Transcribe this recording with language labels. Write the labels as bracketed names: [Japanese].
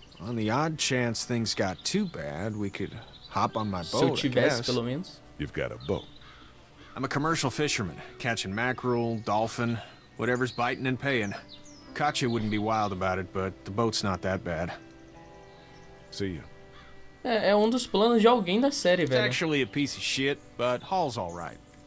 [English] On the odd chance things got too bad, we could hop on my boat, [Portuguese] se eu tivesse, pelo menos. [English] You've got a boat. I'm a commercial fisherman, catching mackerel, dolphin, whatever's biting and paying. Kachi wouldn't be wild about it, but the boat's not that bad. See you. [Portuguese] É um dos planos de alguém da série, [English] it's [Portuguese] velho. [English] It's actually a piece of shit, but Hall's all right.